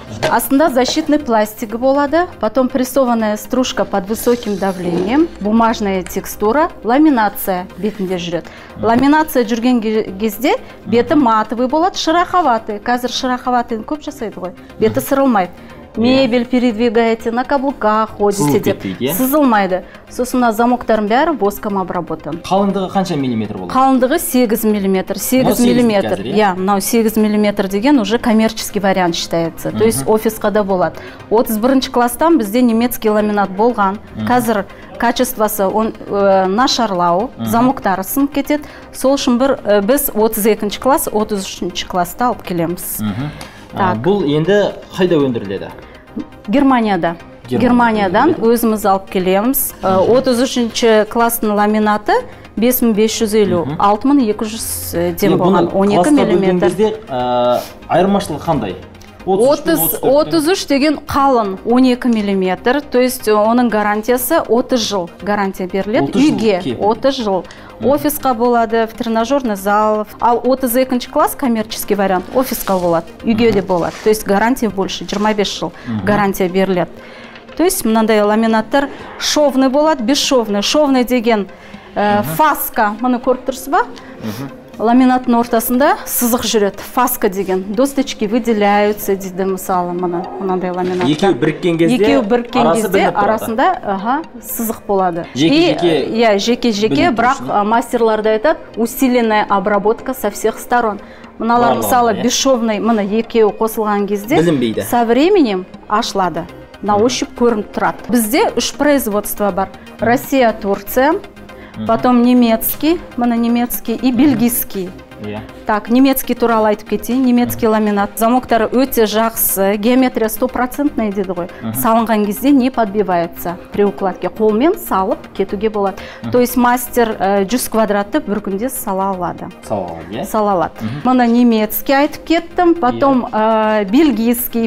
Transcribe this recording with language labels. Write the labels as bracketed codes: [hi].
[ru] Основа защитный пластик болада, потом прессованная стружка под высоким давлением, бумажная текстура, [kk] ламинация бетінде жүрет. Ламинация жүрген кезде беті матовый болады, шероховатый. Қазір шероховатыйын көп жасайды ғой, беті сырылмайды. [ru] Мебель передвигаете, на каблуках ходите, [kk] деп, сызылмайды. Сосын замоктарын бәрі [ru] воском обработан. [kk] Қалындығы қанша миллиметр болады? Қалындығы 8 миллиметр. 8 миллиметр. [ru] Я, [kk] мынау 8 миллиметр деген [ru] уже коммерческий вариант считается. [kk] То есть офисқа да болады. 31-ші класстан бізде немецкий ламинат болған. Қазір качествосы нашарлау, замоктары сынып кетеді. Сол үшін біз 32-ші класс, 33-ші класста алып келеміз. Бұл енді қайда өндіріледі? Германияда. Германиядан өзіміз алып келеміз. 33-ші кластың ламинаты 5550, 6200 болған 12 миллиметр. Бұл кластарды дегенде айырмашылығы қандай? 33 деген қалын 12 миллиметр, то есть оның гарантиясы 30 жыл гарантия беріледі. Үйге 30 жыл. Офисқа болады, [ru] в тренажерный зал. [kk] Ал 32-ші класс, коммерческий вариант, офисқа болады, үйге де болады. [ru] То есть гарантия больше, [kk] 25 жыл гарантия беріледі. То есть мынандай ламинаттар шовны болады, бесшовны. Шовны деген фаска, мұны көріп тұрсыз ба? Ламинаттың ортасында сызық жүрет, фаска деген. [ru] Досточки выделяются, [kk] дейді мысалы мынандай ламинат. Екеу біріккен кезде, арасында сызық болады. Жеке-жеке, бірақ мастерларды айтады, [ru] усиленная обработка со всех сторон. [kk] Мыналар мысалы бесшовный, мына екеу қосылған кезде, [ru] со временем [kk] ашылады, [ru] на ощупь [kk] көрініп тұрады. Бізде үш производство бар. Россия, Турция. [ru] Потом немецкий, мононемецкий и бельгийский. [kk] Так, немецкий туралы айтып кетейін, немецкий ламинат. Замоктары өте жақсы, геометрия 100% дейді ғой. [ru] Салынған кезде не подбивается при укладке. [kk] Қолмен салып кетуге болады. То есть мастер 100 квадратты бір күнде сала алады. Сала алады. [ru] Мононемецкий [kk] айтып кеттім, [ru] потом бельгийский.